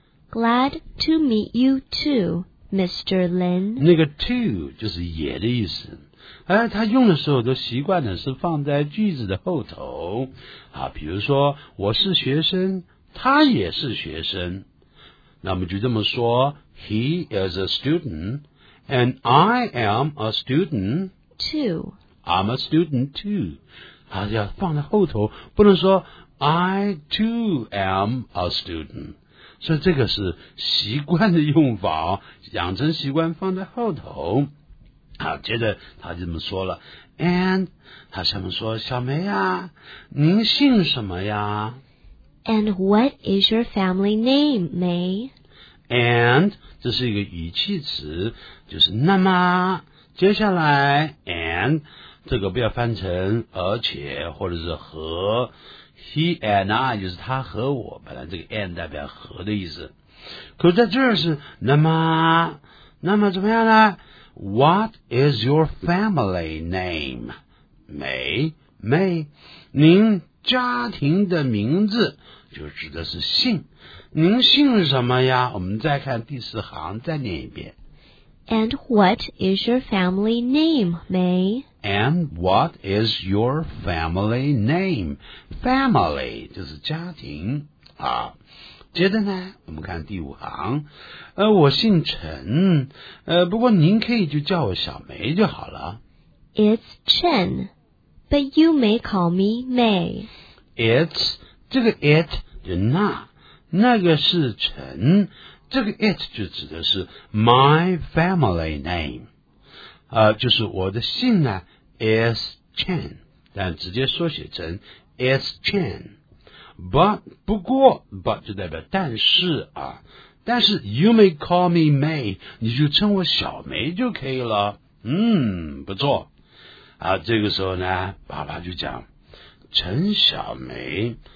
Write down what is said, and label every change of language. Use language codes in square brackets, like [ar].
[en] Glad to meet you too, Mr. Lin. [zh] 那个 to 就是也的意思。哎，他用的时候都习惯的是放在句子的后头。好，比如说我是学生，他也是学生。 [en] 那么就这么说 ,He is a student, and I am a student too. I'm a student too. [zh] 啊，要放在后头，不能说 I too am a student，所以这个是习惯的用法，养成习惯放在后头。好，接着他就这么说了 ，And 他下面说小梅啊，您姓什么呀 [en] ？And what is your family name, May? [zh] And 这是一个语气词，就是那么接下来 and。这个不要翻成而且或者是和 he and I 就是他和我本来这个 and 代表和的意思可是在这儿是那么怎么样呢 What is your family name? 梅您家庭的名字就指的是姓您姓什么呀我们再看第四行再念一遍 [en] And what is your family name, 梅 And what is your family name? [zh] Family 就是家庭啊。接着呢，我们看第五行。我姓陈。不过您可以就叫我小梅就好了。 [en] It's Chen, but you may call me May. [zh] It's 这个 it 就那个是陈，这个 it 就指的是 my family name。就是我的姓呢。 Is Chen 但直接缩写成 Is Chen But 不过 But 就代表但是啊但是 You may call me May 你就称我小梅就可以了不错啊这个时候呢爸爸就讲陈小梅